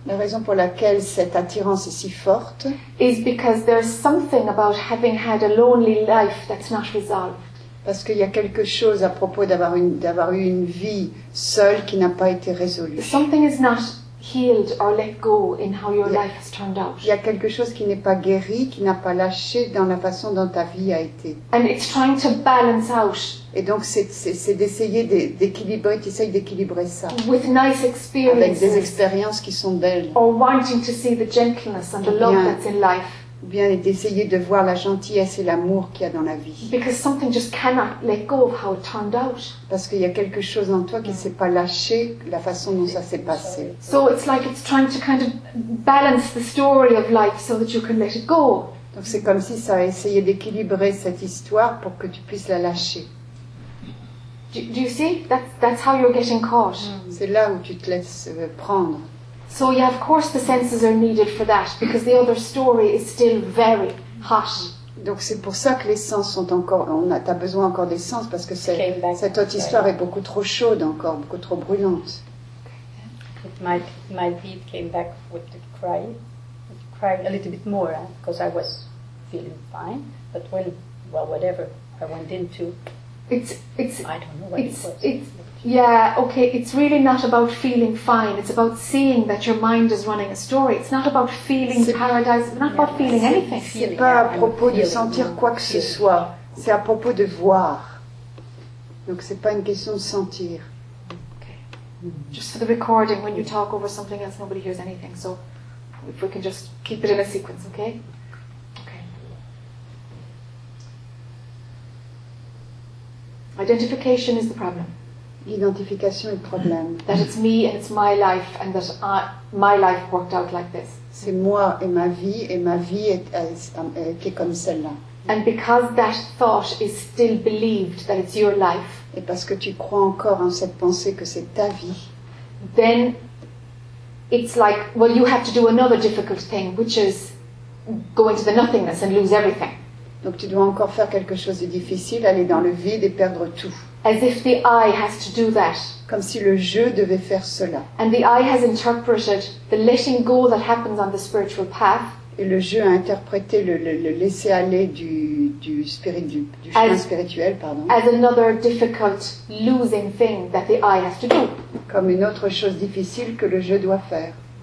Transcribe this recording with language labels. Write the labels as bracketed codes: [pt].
[fr] La raison pour laquelle cette attirance est si forte [en] is because there's something about having had a lonely life that's not resolved. [fr] Parce qu'il y a quelque chose à propos d'avoir eu une vie seule qui n'a pas été résolue. [en] Something is not healed or let go in how your life has turned out. [fr] Il y a quelque chose qui n'est pas guéri, qui n'a pas lâché dans la façon dont ta vie a été. [en] And it's trying to balance out. [fr] Et donc c'est d'essayer d'équilibrer, tu essayes d'équilibrer ça. [en] With nice experiences. [fr] Avec des expériences qui sont belles. [en] Or wanting to see the gentleness and the love that's in life. [fr] Ou bien d'essayer de voir la gentillesse et l'amour qu'il y a dans la vie. [en] Because something just cannot let go of how it turned out. [fr] Parce qu'il y a quelque chose en toi qui ne s'est pas lâché la façon dont ça s'est passé. [en] So it's like it's trying to kind of balance the story of life so that you can let it go. [fr] Donc c'est comme si ça a essayé d'équilibrer cette histoire pour que tu puisses la lâcher. [en] Do you see? That's how you're getting caught. [fr] C'est là où tu te laisses prendre. [en] So yeah, of course the senses are needed for that because the other story is still very hot. [fr] Donc c'est pour ça que les sens sont encore. T'as besoin encore des sens parce que cette autre histoire est beaucoup trop chaude encore, beaucoup trop brûlante. [en] My beat came back with the crying a little bit more because I was feeling fine, but well, whatever I went into. It's. I don't know what it's. Yeah, okay, it's really not about feeling fine. It's about seeing that your mind is running a story. It's not about feeling paradise. It's not about feeling anything. [fr] C'est pas à propos de sentir quoi que ce soit. C'est à propos de voir. Donc c'est pas une question de sentir. [en] Okay. Just for the recording, when you talk over something else, nobody hears anything. So if we can just keep it in a sequence, okay? Okay. Identification is the problem. [fr] L'identification est le problème. [en] That it's me and it's my life and that my life worked out like this. [fr] C'est moi et ma vie est comme celle-là. [en] And because that thought is still believed that it's your life. [fr] Et parce que tu crois encore en cette pensée que c'est ta vie. [en] Then it's like, well, you have to do another difficult thing, which is go into the nothingness and lose everything. [fr] Donc tu dois encore faire quelque chose de difficile, aller dans le vide et perdre tout. [en] As if the I has to do that. [fr] Comme si le je devait faire cela. [en] And the I has interpreted the letting go that happens on the spiritual path. [fr] le jeu à interpréter le laisser aller du spirit du chemin [en] as, [fr] spirituel pardon [en] as another difficult losing thing that the eye has to do [fr] comme une autre chose difficile que le jeu doit faire